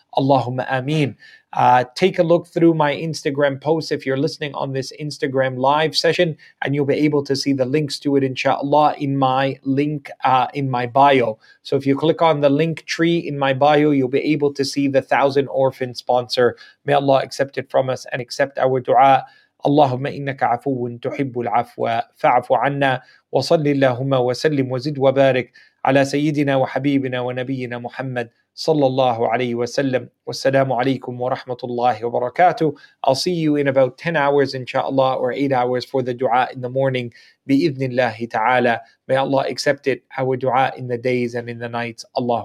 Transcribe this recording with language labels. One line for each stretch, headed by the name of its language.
English: Allahumma ameen. Take a look through my Instagram posts if you're listening on this Instagram live session, and you'll be able to see the links to it, inshallah, in my link in my bio. So if you click on the link tree in my bio, you'll be able to see the 1000 orphan sponsor. May Allah accept it from us and accept our dua.
Arabic: اللهم إنك عفو تحب العفو فاعف عنا، وصل اللهم وسلم وزد وبارك على سيدنا وحبيبنا ونبينا محمد صلى الله عليه وسلم. والسلام عليكم ورحمة الله وبركاته.
English: I'll see you in about 10 hours inshallah, or 8 hours for the dua in the morning
Arabic: بإذن الله تعالى.
English: May Allah accept it, our dua in the days and in the nights. Allah.